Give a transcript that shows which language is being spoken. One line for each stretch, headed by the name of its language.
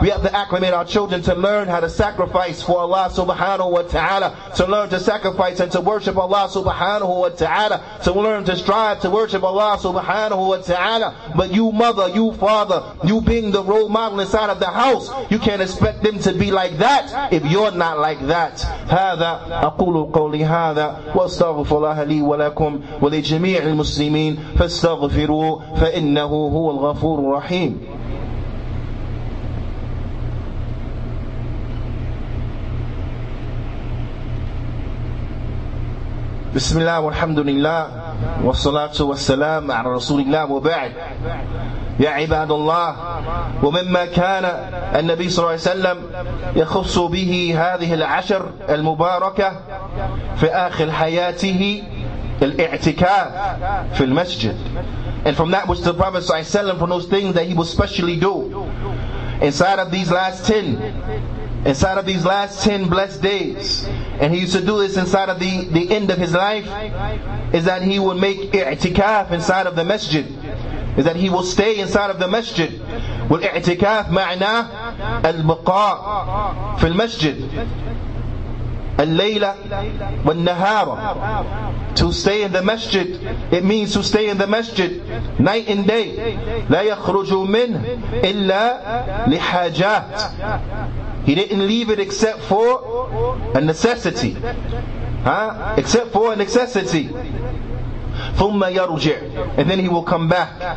English: We have to acclimate our children to learn how to sacrifice for Allah subhanahu wa ta'ala. To learn to sacrifice and to worship Allah subhanahu wa ta'ala. To learn to strive to worship Allah subhanahu wa ta'ala. But you mother, you father, you being the role model inside of the house, you can't expect them to be like that if you're not like that.
Arabic: هذا أقول قولي هذا وأستغفر الله لي ولكم ولجميع المسلمين فاستغفروا فإنه هو الغفور الرحيم. بسم الله والحمد لله والصلاة والسلام على رسول الله وبعد يا عباد الله ومما كان النبي صلى الله عليه وسلم يخص به هذه العشر المباركة في آخر حياته الاعتكاف في المسجد.
English: And from that which the Prophet صلى الله عليه وسلم, from those things that he will specially do inside of these last 10, inside of these last 10 blessed days, and he used to do this inside of the end of his life, is that he would make i'tikaf inside of the masjid, is that he will stay inside of the masjid.
Arabic: والاعتكاف معنى البقاء في المسجد الليلة والنهار.
English: To stay in the masjid, it means to stay in the masjid night and day.
Arabic: لا يخرج منه إلا لحاجات.
English: He didn't leave it except for a necessity. Huh? Except for a necessity.
Arabic: ثُمَّ يرجع.
English: And then he will come back.